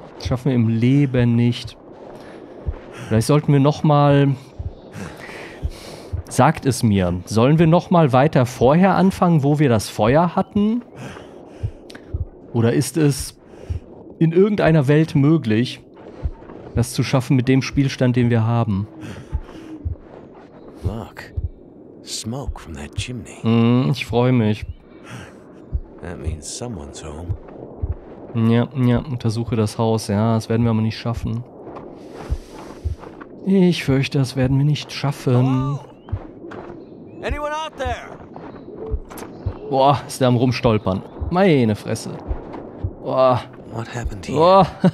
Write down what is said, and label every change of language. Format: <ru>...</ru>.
<de>Das schaffen wir im Leben nicht. Vielleicht sollten wir nochmal... Sagt es mir. Sollen wir nochmal weiter vorher anfangen, wo wir das Feuer hatten? Oder ist es in irgendeiner Welt möglich, das zu schaffen mit dem Spielstand, den wir haben?</de> <en>Look. Smoke from that chimney.</en> <de>Ich freue mich.</de> <en>That means someone's home.</en> <de>Ja, untersuche das Haus. Ja, das werden wir aber nicht schaffen. Ich fürchte, das werden wir nicht schaffen.</de> <en>Anyone out there?</en> <de>Boah, ist der am Rumstolpern. Meine Fresse. Boah.</de> <en>What happened here?</en>